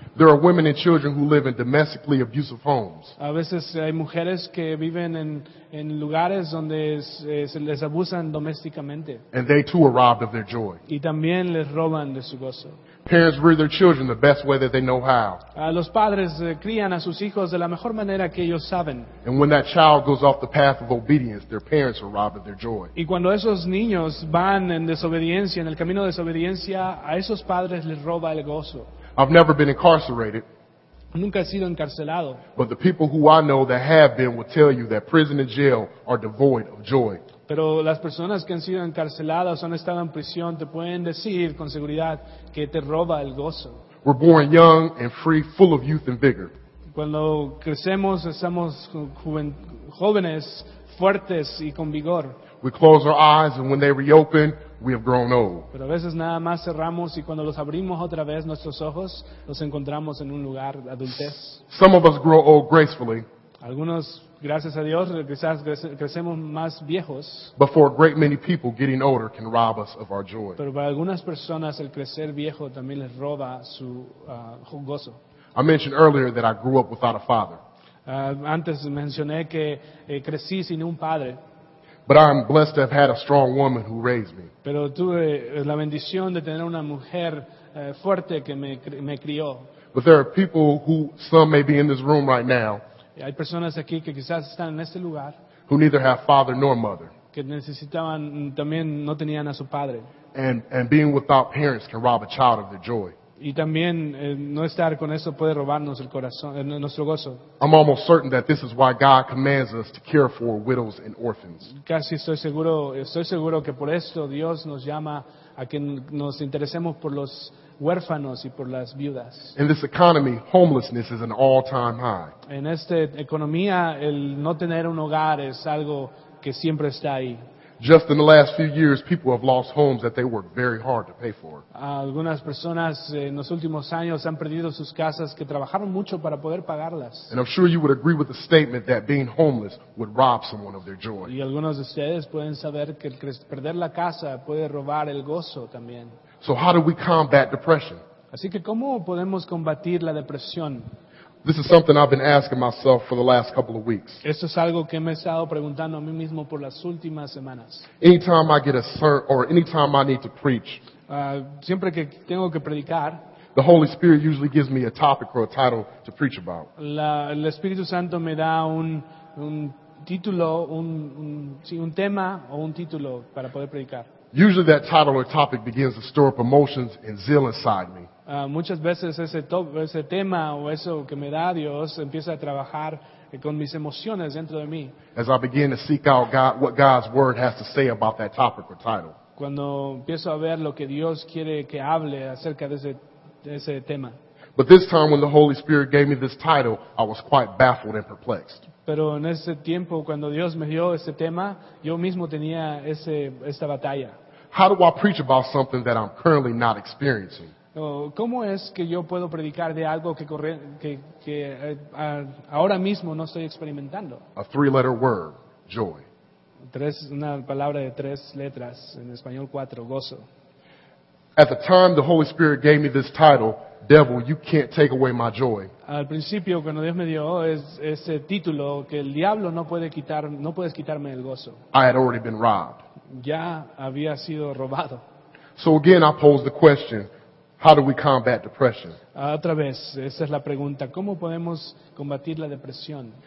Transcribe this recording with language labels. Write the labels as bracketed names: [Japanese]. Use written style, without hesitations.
[English] There are women and children who live in domestically abusive homes. [Spanish] A veces hay mujeres que viven en lugares donde se les abusan domésticamente. [English] And they too are robbed of their joy. [Spanish] Y también les roban de su gozo. [English] Parents rear their children the best way that they know how. [Spanish] Los padres crían a sus hijos de la mejor manera que ellos saben. [English] And when that child goes off the path of obedience, their parents are robbed of their joy. [Spanish] Y cuando esos niños van en desobediencia, en el camino de desobediencia, a esos padres les roba el gozo. [English] I've never been incarcerated. [Spanish] Nunca he sido encarcelado. [English] But the people who I know that have been will tell you that prison and jail are devoid of joy. [Spanish] Pero las personas que han sido encarceladas o han estado en prisión te pueden decir con seguridad que te roba el gozo. [English] We're born young and free, full of youth and vigor. [Spanish] Cuando crecemos, estamos jóvenes, fuertes y con vigor. [English] We close our eyes and when they reopen, we have grown old. [Spanish] Pero a veces nada más cerramos y cuando los abrimos otra vez nuestros ojos, nos encontramos en un lugar de adultez. [English] Some of us grow old gracefully. [Spanish] Algunos, gracias a Dios, quizás crecemos más viejos. [English] But for a great many people, getting older can rob us of our joy. [Spanish] Pero para algunas personas, el crecer viejo también les roba su gozo. [English] I mentioned earlier that I grew up without a father. [Spanish] Antes mencioné que crecí sin un padre. [English] But I'm blessed to have had a strong woman who raised me. [Spanish] Pero tuve la bendición de tener una mujer fuerte que me crió. [English] But there are people who, some may be in this room right now, [Spanish] hay personas aquí que quizás están en este lugar [English] who neither have father nor mother. [Spanish] Que necesitaban, también no tenían a su padre. [English] And being without parents can rob a child of their joy. [Spanish] Y también no estar con eso puede robarnos el corazón, nuestro gozo. [English] I'm almost certain that this is why God commands us to care for widows and orphans. [Spanish] Casi estoy seguro que por esto Dios nos llama a que nos interesemos por los huérfanos y por las viudas. [English] In this economy, homelessness is an all-time high. [Spanish] En esta economía, el no tener un hogar es algo que siempre está ahí. [English] Just in the last few years, people have lost homes that they worked very hard to pay for. [Spanish] Algunas personas en los últimos años han perdido sus casas que trabajaron mucho para poder pagarlas. [English] And I'm sure you would agree with the statement that being homeless would rob someone of their joy. [Spanish] Y algunos de ustedes pueden saber que perder la casa puede robar el gozo también. [English] So how do we combat depression? [Spanish] Así que ¿cómo podemos combatir la depresión? [English] This is something I've been asking myself for the last couple of weeks. [Spanish] Esto es algo que me he estado preguntando a mí mismo por las últimas semanas. [English] Anytime I get a sermon or anytime I need to preach, [Spanish] siempre que tengo que predicar, [English] the Holy Spirit usually gives me a topic or a title to preach about. [Spanish] El Espíritu Santo me da un tema o un título para poder predicar. [English] Usually that title or topic begins to stir up emotions and zeal inside me. [Spanish] Muchas veces ese tema o eso que me da Dios empieza a trabajar con mis emociones dentro de mí. [English] As I begin to seek out God, what God's word has to say about that topic or title. [Spanish] Cuando empiezo a ver lo que Dios quiere que hable acerca de ese tema. [English] But this time when the Holy Spirit gave me this title, I was quite baffled and perplexed. [Spanish] Pero en ese tiempo cuando Dios me dio ese tema, yo mismo tenía esta batalla. [English] How do I preach about something that I'm currently not experiencing? [Spanish] ¿Cómo es que yo puedo predicar de algo que ahora mismo no estoy experimentando? [English] A three-letter word, joy. [Spanish] Una palabra de tres letras, en español cuatro, gozo. [English] At the time the Holy Spirit gave me this title, devil, you can't take away my joy. [Spanish] Al principio cuando Dios me dio ese título que el diablo no puedes quitarme el gozo. [English] I had already been robbed. [Spanish] Ya había sido robado. [English] So again I pose the question, how do we combat depression? [Spanish] Otra vez, esa es la pregunta, ¿cómo podemos combatir la depresión?